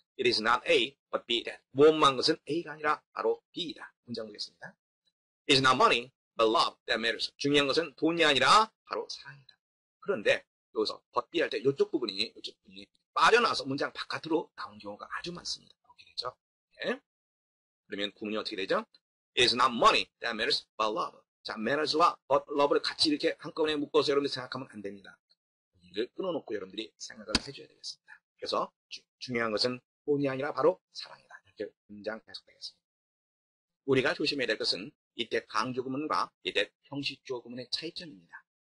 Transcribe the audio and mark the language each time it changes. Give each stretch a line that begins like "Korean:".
English: It is not A, but B that.
Korean: 무엇만 것은 A가 아니라 바로 B이다. 문장 보겠습니다.
English: It is not money, but love that matters.
Korean: 중요한 것은 돈이 아니라 바로 사랑이다. 그런데 여기서 but B 할 때 이쪽 부분이 빠져나와서 문장 바깥으로 나온 경우가 아주 많습니다. 이렇게 되죠. 네. 그러면 구문이 어떻게 되죠?
English: It is not money that matters, but love.
Korean: 자, matters와 but love를 같이 이렇게 한꺼번에 묶어서 여러분들 생각하면 안 됩니다. 이를 끊어놓고 여러분들이 생각을 해줘야 되겠습니다. 그래서 중요한 것은 돈이 아니라 바로 사랑이다. 이렇게 문장 해석되겠습니다. 우리가 조심해야 될 것은 이때 강조구문과 이때 형식조구문의 차이점입니다.